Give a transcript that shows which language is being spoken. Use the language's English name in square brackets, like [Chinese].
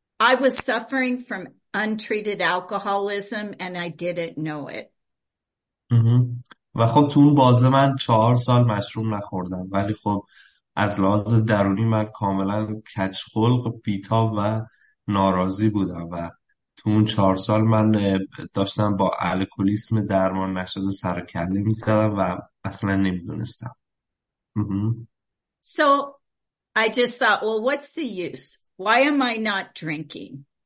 [English] I was suffering from untreated alcoholism and I didn't know it. [Persian] و خب تو اون بازه من 4 سال مشروب نخوردم، ولی خب از لحاظ درونی من کاملا کج‌خلق، بیتاب و ناراضی بودم و تو اون 4 سال من داشتم با الکلیسم درمان نشده سر کله می‌زدم و اصلا نمی‌دونستم. [English] So I just thought, well, what's the use? Why am I not drinking?